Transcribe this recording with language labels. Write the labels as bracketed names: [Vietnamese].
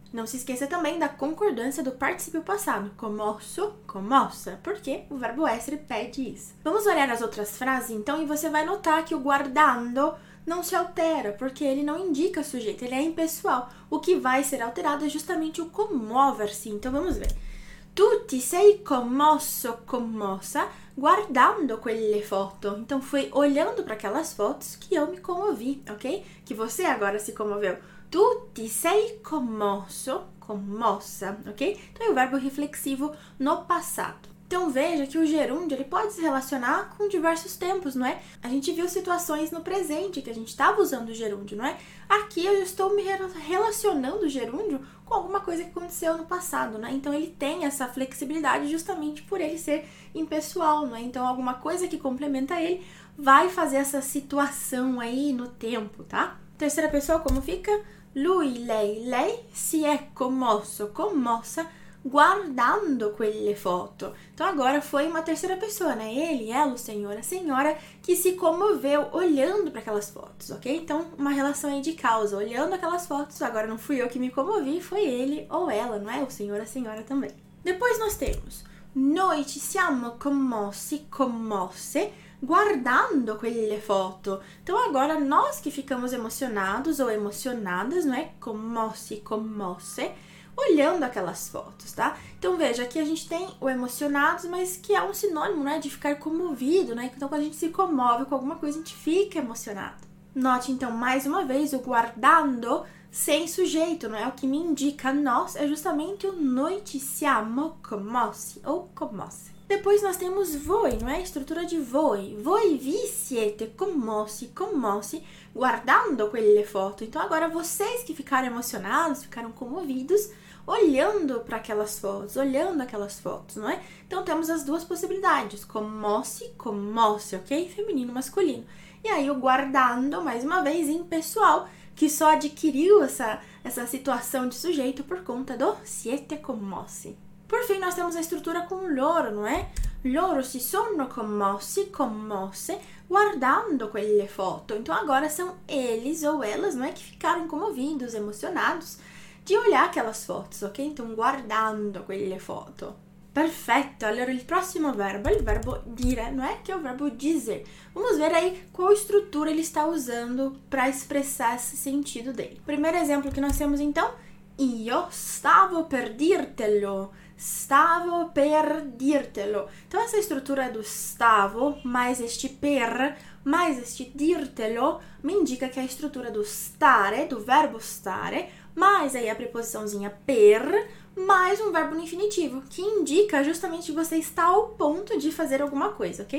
[Portuguese] Não se esqueça também da concordância do particípio passado, commosso, commossa, porque o verbo essere pede isso. Vamos olhar as outras frases então e você vai notar que o guardando não se altera, porque ele não indica sujeito, ele é impessoal. O que vai ser alterado é justamente o commuoversi. Então vamos ver. [Italian] Tu ti sei commosso, commossa, guardando quelle foto. [Portuguese] Então foi olhando para aquelas fotos que eu me comovi, ok? Que você agora se comoveu. [Italian] Tu ti sei commosso, commossa, ok? [Portuguese] Então é o verbo reflexivo no passato. Então veja que o gerúndio ele pode se relacionar com diversos tempos, não é? A gente viu situações no presente que a gente estava usando o gerúndio, não é? Aqui eu estou me relacionando o gerúndio com alguma coisa que aconteceu no passado, né? Então ele tem essa flexibilidade justamente por ele ser impessoal, não é? Então alguma coisa que complementa ele vai fazer essa situação aí no tempo, tá? Terceira pessoa, como fica? [Italian] Lui, lei, si è commosso, commossa, guardando quelle foto. [Portuguese] Então agora foi uma terceira pessoa, né? Ele, ela, o senhor, a senhora, que se comoveu olhando para aquelas fotos, ok? Então uma relação aí de causa, olhando aquelas fotos, agora não fui eu que me comovi, foi ele ou ela, não é? O senhor, a senhora também. Depois nós temos: [Italian] Noi ci siamo commossi, commosse, guardando quelle foto. [Portuguese] Então agora nós que ficamos emocionados ou emocionadas, não é? [Italian] Commossi, commosse, [Portuguese] olhando aquelas fotos, tá? Então veja, aqui a gente tem o emocionados, mas que é um sinônimo, né, de ficar comovido, né? Então quando a gente se comove com alguma coisa, a gente fica emocionado. Note então mais uma vez o guardando sem sujeito, não é? O que me indica nós é justamente o [Italian] noi ci siamo commossi [Portuguese] ou commosse. Depois nós temos voi, não é? Estrutura de voi. [Italian] Voi vi siete commossi, commossi, guardando quelle foto. [Portuguese] Então agora vocês que ficaram emocionados, ficaram comovidos, olhando para aquelas fotos, olhando aquelas fotos, não é? Então temos as duas possibilidades, commossi, commosse, ok? Feminino, masculino. E aí o guardando, mais uma vez, impessoal, que só adquiriu essa situação de sujeito por conta do siete commossi. Por fim, nós temos a estrutura com loro, não é? [Italian] Loro si sono commossi, commosse, guardando quelle foto. [Portuguese] Então agora são eles ou elas, não é? Que ficaram comovidos, emocionados de olhar aquelas fotos, ok? [Italian] Então guardando quelle foto. [Portuguese] Perfeito! [Italian] Allora, il prossimo verbo è il verbo dire, [Portuguese] não é? [Italian] Che è [Portuguese] o verbo dizer. Vamos ver aí qual estrutura ele está usando para expressar esse sentido dele. Primeiro exemplo que nós temos então: [Italian] Io stavo per dirtelo. Stavo per dirtelo. [Portuguese] Então, essa estrutura do stavo mais este per mais este dirtelo me indica que a estrutura do stare, do verbo stare, mais aí a preposiçãozinha per, mais um verbo no infinitivo, que indica justamente que você está ao ponto de fazer alguma coisa, ok?